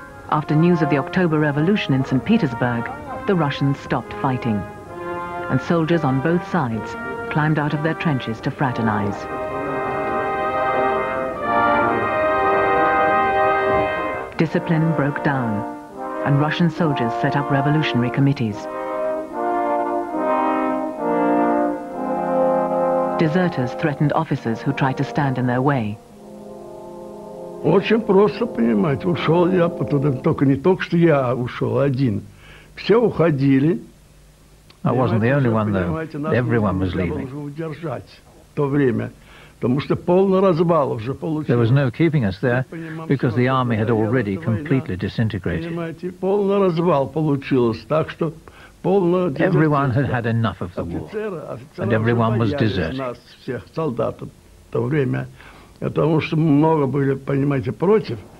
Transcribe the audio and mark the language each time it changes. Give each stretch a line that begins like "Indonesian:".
English: After news of the October Revolution in St. Petersburg, the Russians stopped fighting, and soldiers on both sides climbed out of their trenches to fraternize. Discipline broke down, and Russian soldiers set up revolutionary committees. Deserters threatened officers who tried to stand in their way.
Russian: Очень просто, понимаете, ушел я, потом только не только что я ушел один. Все уходили.
English: I wasn't the only one, though. Everyone was leaving. There was no keeping us there because the army had already completely disintegrated. Everyone had had enough of the war, and everyone was deserting.